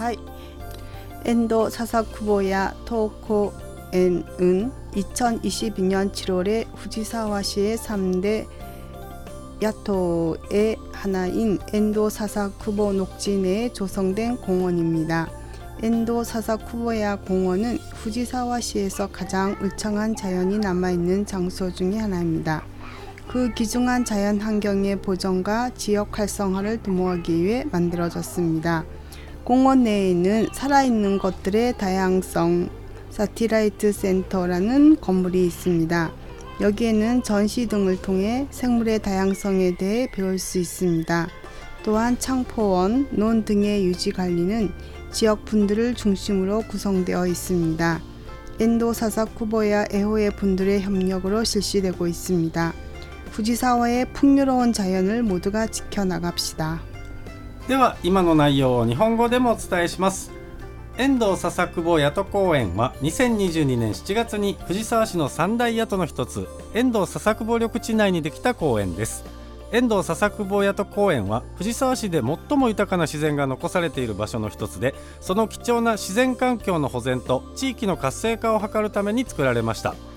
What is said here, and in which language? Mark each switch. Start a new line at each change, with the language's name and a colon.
Korean: はい、遠藤笹久保谷戸公園은2022년7월에후지사와시의3대야토의하나인엔도사사쿠보녹지내에조성된공원입니다. 엔도사사쿠보야공원은후지사와시에서가장울창한자연이남아있는장소중에하나입니다. 그귀중한자연환경의보존과지역활성화를도모하기위해만들어졌습니다. 공원내에있는살아있는것들의다양성사티라이트센터라는건물이있습니다. 여기에는 전시등을 통해 생물의 다양성에 대해 배울 수 있습니다. 또한 창포원, 논 등의 유지 관리는 지역 분들을 중심으로 구성되어 있습니다. 엔도 사사쿠보야 애호의 분들의 협력으로 실시되고 있습니다. 후지사와의 풍요로운 자연을 모두가 지켜나갑시다.
Japanese: では今の内容を日本語でもお伝えします。遠藤笹久保谷戸公園は2022年7月に藤沢市の三大谷戸の一つ遠藤笹久保緑地内にできた公園です。遠藤笹久保谷戸公園は藤沢市で最も豊かな自然が残されている場所の一つで、その貴重な自然環境の保全と地域の活性化を図るために作られました。